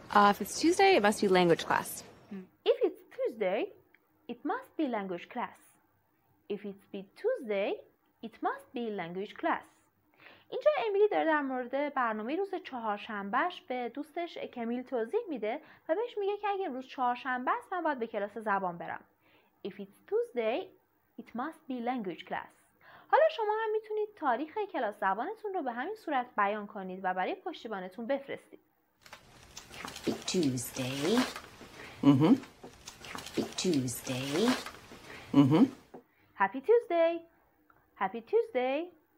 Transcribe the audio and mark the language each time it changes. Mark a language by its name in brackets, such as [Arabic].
[English] If it's Tuesday, it must be language class. If it's Tuesday, it must be language class. If it's be Tuesday, it must be language class. [Persian] اینجا امیلی داره در مورد برنامه روز چهارشنبهش به دوستش کمیل توضیح میده و بهش میگه که اگه روز چهارشنبه است من باید به کلاس زبان برم. [English] If it's Tuesday, it must be language class. [Persian] حالا شما هم میتونید تاریخ کلاس زبانتون رو به همین صورت بیان کنید و برای پشتیبانتون بفرستید. [English] Happy Tuesday. Happy Tuesday. Happy Tuesday. Happy Tuesday.